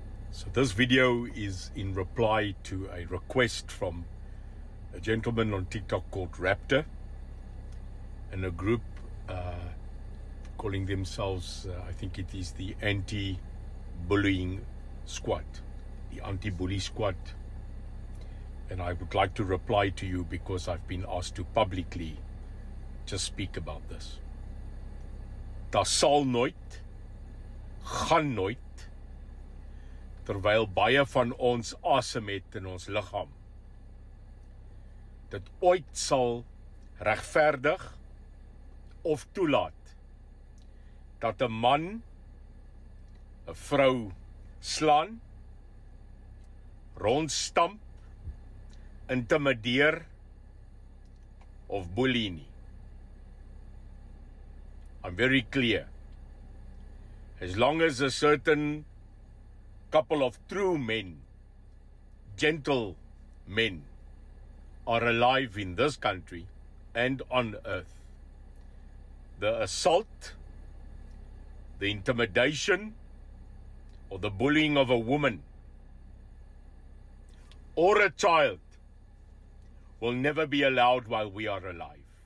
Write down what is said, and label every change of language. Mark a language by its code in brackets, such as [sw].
[en] So this video is in reply to a request from a gentleman on TikTok called Raptor and a group calling themselves, I think it is the anti-bullying squad, the anti-bully squad. And I would like to reply to you because I've been asked to publicly just speak about this. [af] Das sal nooit, gaan nooit, terwyl baie van ons asem het in ons liggaam, dit ooit sal regverdig of toelaat dat 'n man 'n vrou slaan, rondstamp, intimideer of bully nie. [en] I'm very clear. As long as a certain couple of true men, gentle men, are alive in this country and on earth, the assault, the intimidation, or the bullying of a woman or a child will never be allowed while we are alive.